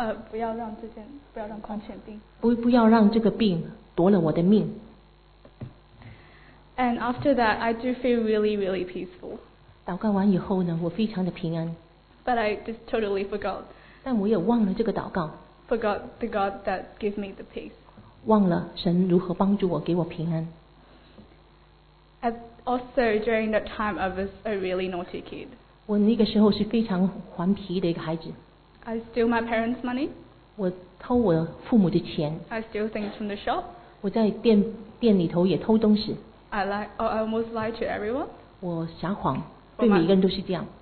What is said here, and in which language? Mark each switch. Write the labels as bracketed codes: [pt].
[zh] 不要让这件，不要让狂犬病。不要让这个病夺了我的命。 [en] And after that, I do feel really, really peaceful. [zh] 祷告完以后呢，我非常的平安。 [en] But I just totally forgot. [zh] 但我也忘了这个祷告。 [en] Forgot the God that gave me the peace. [zh] 忘了神如何帮助我，给我平安。 [en] Also, during that time, I was a really naughty kid. [zh] 我那个时候是非常顽皮的一个孩子。 [en] I steal my parents' money. [zh] 我偷我父母的钱。 [en] I steal things from the shop. [zh] 我在店里头也偷东西。 [en] I almost lie to everyone. [zh] 我撒谎，对每一个人都是这样。